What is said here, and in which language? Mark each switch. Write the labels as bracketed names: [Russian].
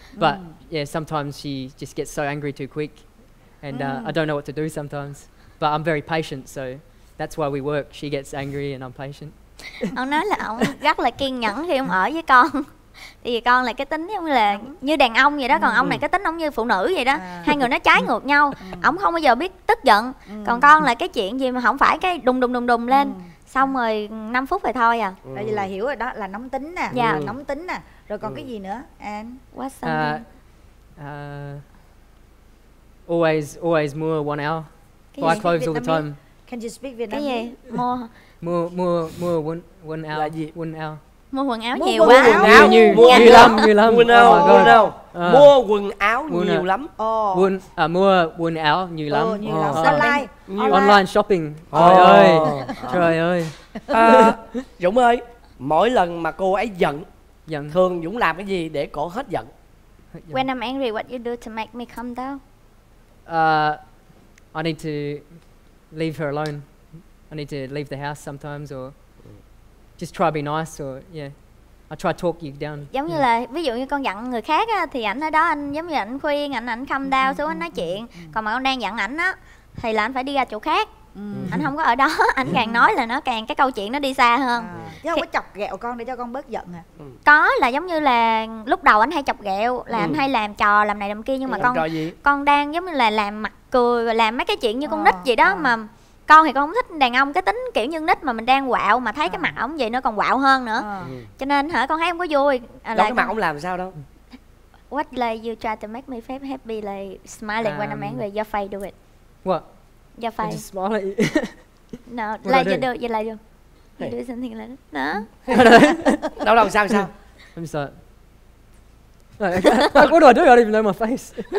[English] But yeah, sometimes she just gets so angry too quick. And I don't know what to do sometimes. But I'm very patient, so that's why we work. She gets angry and I'm patient. [Vietnamese] Ông nói là ông rất là kiên nhẫn khi ông ở với con. Thì con là cái tính giống là như đàn ông vậy đó. Còn ông này cái tính ông như phụ nữ vậy đó. Hai người nó trái ngược nhau. Ông không bao giờ biết tức giận. Còn con là cái chuyện gì mà không phải cái đùng đùng đùng đùng lên. Xong rồi 5 phút rồi thôi à. Tại vì là hiểu rồi đó, là nóng tính nè. Nóng tính nè. Rồi còn cái gì nữa? [English] And what's something? Always [Vietnamese] mua [English] 1 hour. Buy clothes all the time. Can you speak Vietnamese? [Vietnamese] Cái gì? Mua [English] 1 hour. [Vietnamese] Là gì? [English] 1 hour. [Vietnamese] Mua quần áo mua nhiều quá. Nhiều lắm. Quần áo. Mua quần áo nhiều lắm. Mua quần áo nhiều lắm. [English] Online shopping. [Vietnamese] Trời ơi. Dũng ơi, mỗi lần mà cô ấy giận, giận, thường Dũng làm cái gì để cổ hết giận? [English] When I'm angry, what you do to make me calm down? I need to leave her alone. I need to leave the house sometimes or just try to be nice or yeah. I I try to talk you down. [Vietnamese] Giống như là ví dụ như con giận người khác á, thì ảnh ở đó anh giống như ảnh khuyên, ảnh [English] calm down [Vietnamese] xuống anh nói chuyện. Còn mà con đang giận ảnh á thì là anh phải đi ra chỗ khác. Anh không có ở đó, anh càng nói là nó càng cái câu chuyện nó đi xa hơn. Chứ không có chọc ghẹo con để cho con bớt giận hả? Có, là giống như là lúc đầu anh hay chọc ghẹo là anh hay làm trò làm này làm kia, nhưng mà con đang giống như là làm mặt cười và làm mấy cái chuyện như con nít vậy đó. Mà con thì con không thích đàn ông cái tính kiểu như nít, mà mình đang quạo mà thấy cái mặt ổng vậy nó còn quạo hơn nữa. Cho nên hả, con thấy không có vui. Là cái mặt ổng làm sao đâu. [English] What like you try to make me happy, like smiling when I'm angry, your face do it. What? Your face. Just smile at you. No, what like you do, you like you. You do something like that. No. [Vietnamese] Đâu đâu sao sao? [English] I'm sorry. Like, what do I do? I don't even know my face.